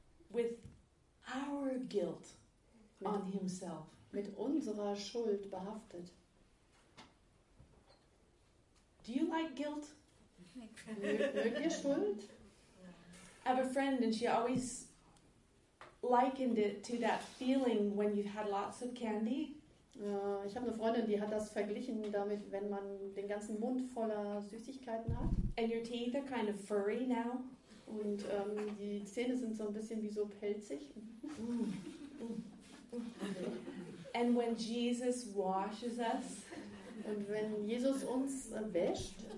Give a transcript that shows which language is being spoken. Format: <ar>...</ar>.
<en>with our guilt on himself,</en> <de>mit unserer Schuld behaftet.</de> <en>Do you like guilt?</en> <de>Mögt ihr Schuld?</de> <en>I have a friend and she always likened it to that feeling when you've had lots of candy.</en> <de>Ich habe eine Freundin, die hat das verglichen damit, wenn man den ganzen Mund voller Süßigkeiten hat.</de> <en>And your teeth are kind of furry now.</en> <de>Und die Zähne sind so ein bisschen wie so pelzig.</de> <en>And when Jesus washes us.</en> <de>Und wenn Jesus uns wäscht.</de>